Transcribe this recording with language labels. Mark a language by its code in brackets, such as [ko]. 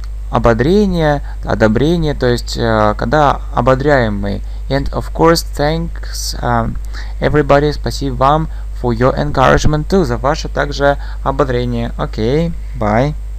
[ru] Ободрение, одобрение, то есть когда ободряем мы. [en] And of course, thanks everybody. [ru] Спасибо вам [en] for your encouragement too. [ru] За ваше также ободрение. [en] Okay, bye.